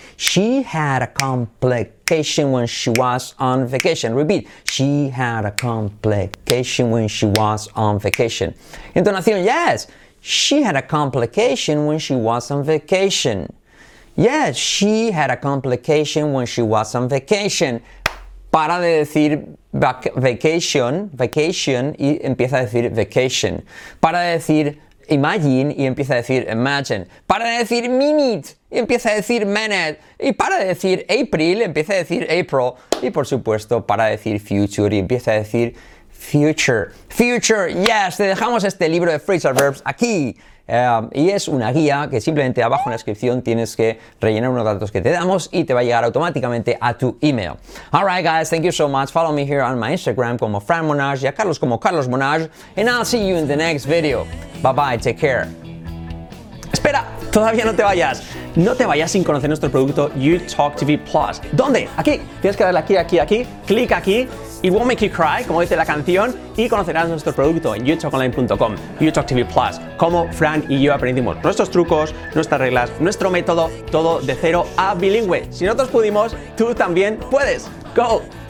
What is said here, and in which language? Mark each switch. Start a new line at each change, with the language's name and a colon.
English: She had a complication when she was on vacation. Repeat. She had a complication when she was on vacation. Entonación, yes. She had a complication when she was on vacation. Yes, she had a complication when she was on vacation.
Spanish: Para de decir vacation, vacation, y empieza a decir vacation. Para de decir imagine, y empieza a decir imagine. Para de decir minute, y empieza a decir minute. Y para de decir April, empieza a decir April. Y por supuesto, para de decir future, y empieza a decir future. Future, yes, te dejamos este libro de phrasal verbs aquí. Y es una guía que simplemente abajo en la descripción tienes que rellenar unos datos que te damos y te va a llegar automáticamente a tu email.
English: Alright guys, thank you so much. Follow me here on my Instagram
Spanish: como Fran Monage y a Carlos como Carlos Monage.
English: And I'll see you in the next video. Bye bye, take care.
Spanish: Espera, todavía no te vayas. No te vayas sin conocer nuestro producto YouTalkTV Plus. ¿Dónde? Aquí. Tienes que darle aquí, aquí, aquí. Clic aquí.
English: It won't make you cry,
Spanish: como dice la canción, y conocerás nuestro producto en youtalkonline.com, YouTalkTV Plus. Cómo Fran y yo aprendimos nuestros trucos, nuestras reglas, nuestro método, todo de cero a bilingüe. Si nosotros pudimos, tú también puedes. ¡Go!